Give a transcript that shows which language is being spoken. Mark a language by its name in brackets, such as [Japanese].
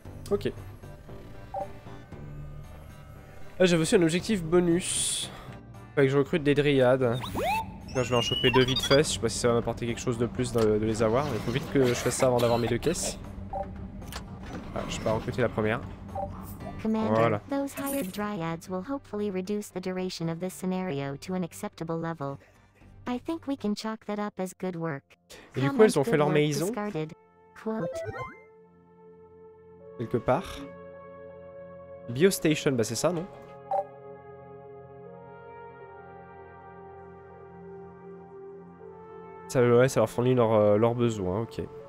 [French] Ok. Ah, j'avais aussi un objectif bonus. Faudrait que je recrute des dryades. Là, je vais en choper deux vite fait. Je sais pas si ça va m'apporter quelque chose de plus de les avoir. Il faut vite que je fasse ça avant d'avoir mes deux caisses. Ah, je vais pas recruter la première. Voilà. [English] Those hired dryads will hopefully reduce the duration of this scenario to an acceptable level. I think we can chalk that up as good work. [French] Et du coup, elles ont fait leur maison. Quelque part. Biostation, bah c'est ça, non? Ça, ouais, ça leur fournit leurs besoins, ok.